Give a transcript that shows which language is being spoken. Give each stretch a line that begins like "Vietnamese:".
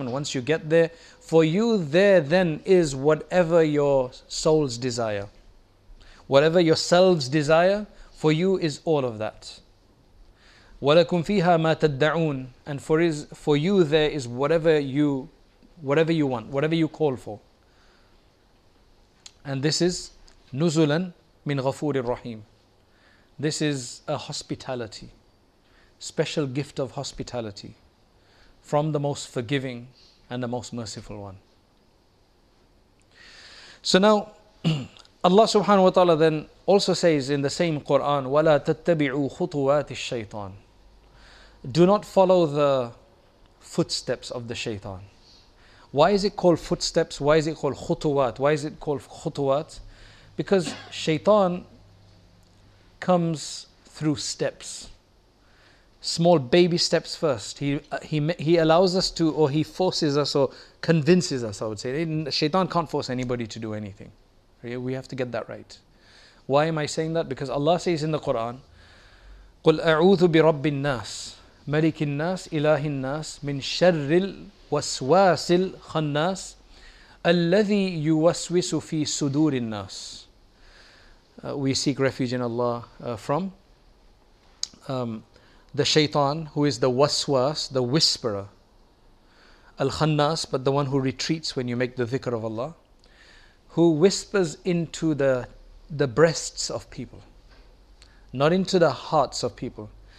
English: And once you get there, for you there then is whatever your souls desire. Whatever yourselves desire, for you is all of that.
Arabic: وَلَكُمْ فِيهَا مَا تَدَّعُونَ.
English: And for you there is whatever you want, whatever you call for. And this is
Arabic: نُزُلًا مِنْ غَفُورٍ رَحِيمٍ.
English: This is a hospitality, special gift of hospitality from the most forgiving and the most merciful one. So now, Allah subhanahu wa ta'ala then also says in the same Quran,
Arabic: وَلَا تَتَّبِعُوا خُطُوَاتِ الشَّيْطَانِ.
English: Do not follow the footsteps of the shaitan. Why is it called footsteps? Why is it called khutuwat? Why is it called khutuwat? Because shaitan comes through steps. Small baby steps first. He allows us to, or he forces us, or convinces us, I would say. Shaitan can't force anybody to do anything. We have to get that right. Why am I saying that? Because Allah says in the Quran,
Arabic: قُلْ أَعُوذُ بِرَبِّ النَّاسِ مَلِكِ النَّاسِ إِلَهِ النَّاسِ مِنْ شَرِّ الْوَسْوَاسِ الْخَنَّاسِ الَّذِي يُوَسْوِسُ فِي صُدُورِ النَّاسِ.
English: We seek refuge in Allah from the shaitan, who is the waswas, the whisperer. Al-khannas, but the one who retreats when you make the dhikr of Allah, who whispers into the breasts of people, not into the hearts of people.